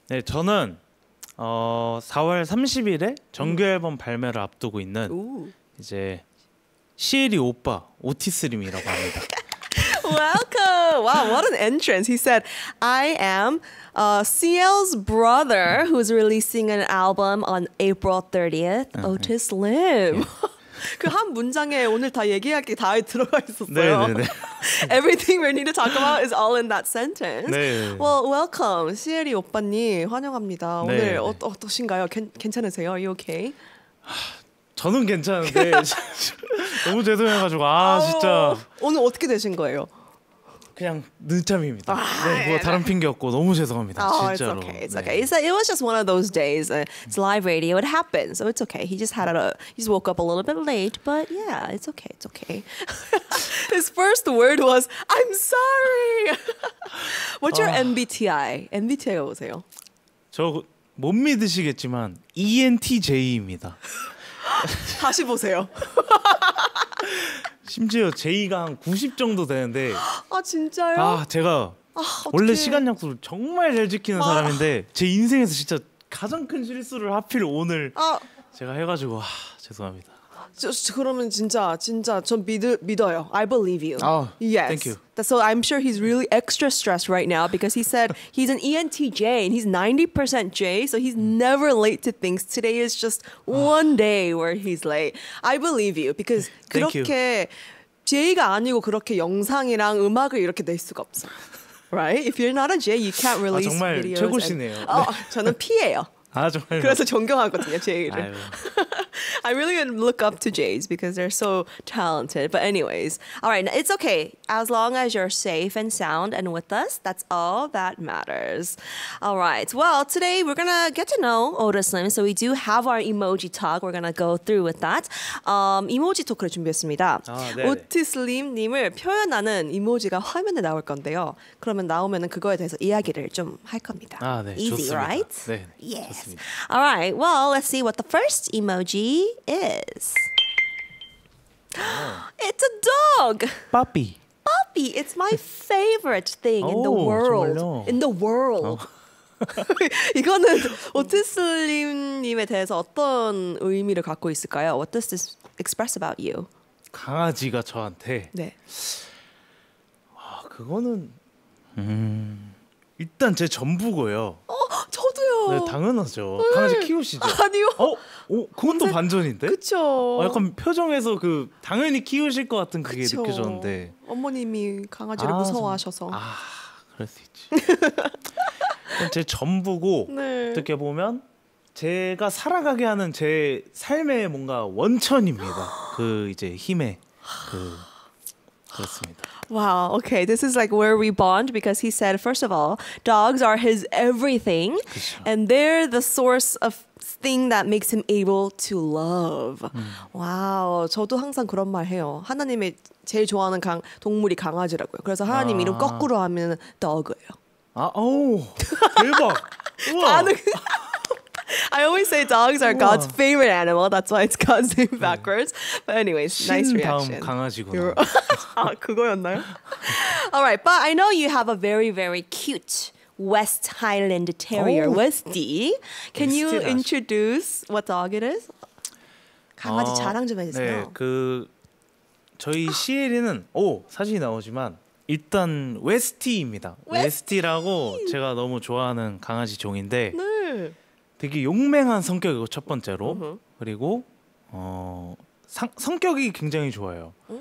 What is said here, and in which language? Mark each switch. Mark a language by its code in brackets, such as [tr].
[ko] 네, 저는 4월 30일에 정규앨범 발매를 앞두고 있는 이제 시엘이 오빠 오티스림이라고 합니다. [en] Welcome! Wow, what an entrance. He said, I am Siel's brother who's releasing an album on April 30th, Otis Lim. [ko] 그 한 문장에 오늘 다 얘기할 게 다 들어가 있었어요. 네네네. [en] Everything we need to talk about is all in that sentence. [ko] 네네네. [en] Well, welcome, [ko] 시엘이 오빠님 환영합니다. 네네. 오늘 어떠신가요? 괜찮으세요? [en] Are you okay? [ko] 저는 괜찮은데 너무 죄송해가지고 진짜 오늘 어떻게 되신 거예요? 그냥 늦잠입니다. 뭐 다른 핑계 없고 너무 죄송합니다. [en] Oh, [ko] 진짜로. [en] It's okay. It's okay. It was just one of those days. It's live radio. It happens. So it's okay. He just had a. He just woke up a little bit late. But yeah, it's okay. It's okay. His first word was, "I'm sorry." What's your MBTI? [ko] MBTI가 뭐세요? 저 못 믿으시겠지만 ENTJ입니다. 다시 보세요. 심지어 J가 한 90 정도 되는데 아 진짜요? 아 제가 원래 시간 약속을 정말 잘 지키는 사람인데 제 인생에서 진짜 가장 큰 실수를 하필 오늘 제가 해가지고 죄송합니다. 그러면 진짜 전 믿어요. [en] I believe you. Yes. Thank you. So I'm sure he's really extra stressed right now because he said he's an ENTJ and he's 90% J, so he's never late to things. Today is just one day where he's late. I believe you because [ko] 그렇게 J가 아니고 그렇게 영상이랑 음악을 이렇게 낼 수가 없어. [en] Right? If you're not a J, you can't release videos. [ko] 정말 최고시네요. 저는 P예요. 아 정말. 그래서 존경하거든요, J를. [en] I really look up to J's because they're so talented. But anyways, all right, it's okay. As long as you're safe and sound and with us, that's all that matters. All right, well, today we're going to get to know Otis Lim. So we do have our emoji talk. We're going to go through with that. [ko] 이모지 토크를 준비했습니다. 오티스 림 님을 표현하는 이모지가 화면에 나올 건데요. 그러면 나오면 그거에 대해서 이야기를 좀 할 겁니다. 아, 네, [en] Easy, [ko] 좋습니다. [en] Right? [ko] 네, 네. [en] Yes. [ko] 좋습니다. [en] All right, well, let's see what the first emoji is. It's a dog. Puppy. Puppy. It's my favorite thing in the world. [ko] 정말요? [en] In the world. [ko] 이거는 오티스림님에 대해서 어떤 의미를 갖고 있을까요? [en] What does this express about you? [ko] 강아지가 저한테. 네. 그거는 일단 제 전부고요. 저도요. 네, 당연하죠. 네. 강아지 키우시죠? 아니요. 그것도 근데, 반전인데? 그렇죠. 약간 표정에서 그 당연히 키우실 것 같은 그게 그쵸. 느껴졌는데. 어머님이 강아지를 무서워하셔서. 그럴 수 있지. 제 전부고 네. 어떻게 보면 제가 살아가게 하는 제 삶의 뭔가 원천입니다. 그 이제 힘의 그 그렇습니다. [en] Wow, okay, this is like where we bond because he said, first of all, dogs are his everything [ko] 그쵸. [en] and they're the source of thing that makes him able to love. [ko] Wow, 저도 항상 그런 말 해요. 하나님의 제일 좋아하는 동물이 강아지라고요. 그래서 하나님 이름 거꾸로 하면 dog예요. 대박! 반응! [en] I always say dogs are God's favorite animal. That's why it's God's name backwards. But anyways, nice reaction. [ko] 다음 강아지구나. 아, 그거였나요? [en] All right, but I know you have a very, very cute West Highland Terrier, Westie. Can you introduce what dog it is? [ko] 강아지 자랑 좀 해주세요. 네, 그 저희 시엘이는 사진이 나오지만 일단 웨스티입니다. 웨스티라고 제가 너무 좋아하는 강아지 종인데 네. 되게 용맹한 성격이고 첫 번째로 그리고 성격이 굉장히 좋아요.